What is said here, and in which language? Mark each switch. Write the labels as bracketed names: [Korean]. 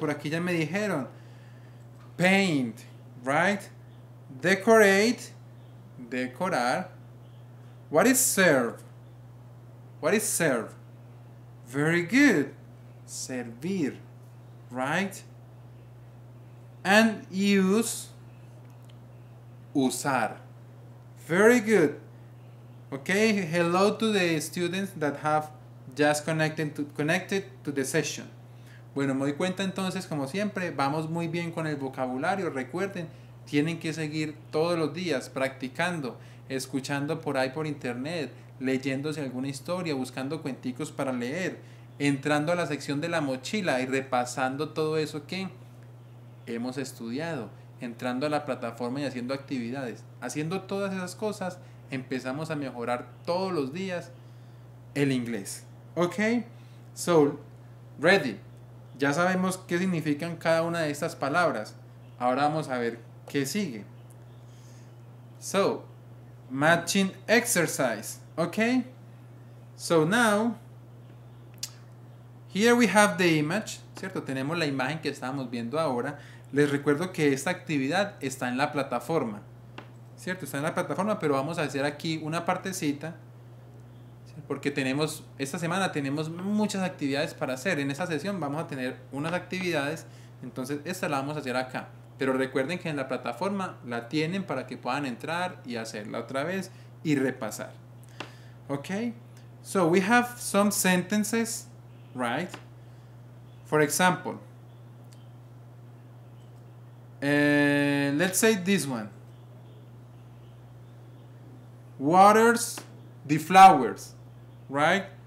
[Spanish] Por aquí ya me dijeron. [English] Paint. Right? Decorate. Decorar. What is serve? What is serve? Very good. Servir. Right? And use. Usar. Very good. Okay. Hello to the students that have just connected to the session. [Spanish] Bueno, me doy cuenta entonces, como siempre, vamos muy bien con el vocabulario. Recuerden, tienen que seguir todos los días practicando, escuchando por ahí por internet, leyéndose alguna historia, buscando cuenticos para leer, entrando a la sección de la mochila y repasando todo eso que hemos estudiado, entrando a la plataforma y haciendo actividades. Haciendo todas esas cosas, empezamos a mejorar todos los días el inglés. ¿Ok? [English] So, ready. [Spanish] Ya sabemos qué significan cada una de estas palabras. Ahora vamos a ver qué sigue. [English] So, matching exercise. Okay? So now, here we have the image. [Spanish] ¿Cierto? Tenemos la imagen que estábamos viendo ahora. Les recuerdo que esta actividad está en la plataforma. ¿Cierto? Está en la plataforma, pero vamos a hacer aquí una partecita. Porque tenemos, esta semana tenemos muchas actividades para hacer. En esta sesión vamos a tener unas actividades. Entonces, esta la vamos a hacer acá. Pero recuerden que en la plataforma la tienen para que puedan entrar y hacerla otra vez y repasar. [English] Okay? So we have some sentences, right? For example, let's say this one. Waters the flowers, right?